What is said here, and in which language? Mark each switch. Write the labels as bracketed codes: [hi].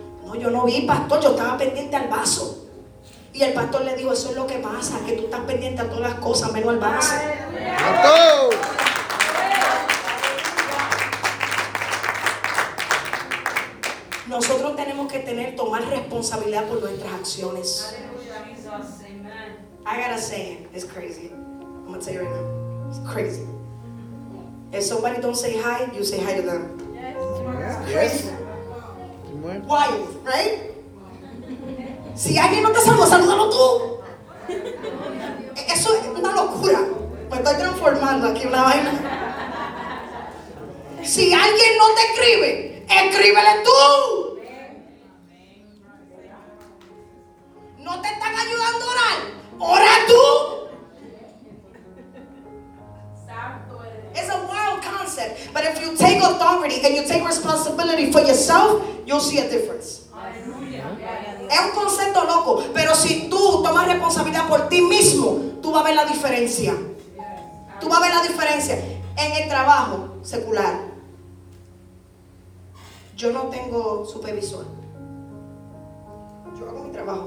[es] No, yo no vi, pastor, yo estaba pendiente al vaso. Y el pastor le dijo, eso es lo que pasa, que tú estás pendiente a todas las cosas, menos al vaso. ¡Pastor! Nosotros tenemos que tomar responsabilidad por nuestras acciones. Aleluya, Jesús, amén. [en] I gotta say it, it's crazy. I'm gonna tell you right now, it's crazy. If somebody don't say hi, you say hi to them. Yes. Yes. Why? Right? [es] Si alguien no te salvó, salúdalo tú. Eso es una locura. Me estoy transformando aquí una vaina. Si alguien no te escribe, escríbele tú. No te están ayudando a orar, ora tú. [en] It's a wild concept, but if you take authority and you take responsibility for yourself, you'll see a difference. [es] Es un concepto loco, pero si tú tomas responsabilidad por ti mismo, tú vas a ver la diferencia. Tú vas a ver la diferencia en el trabajo secular. Yo no tengo supervisor. Yo hago mi trabajo.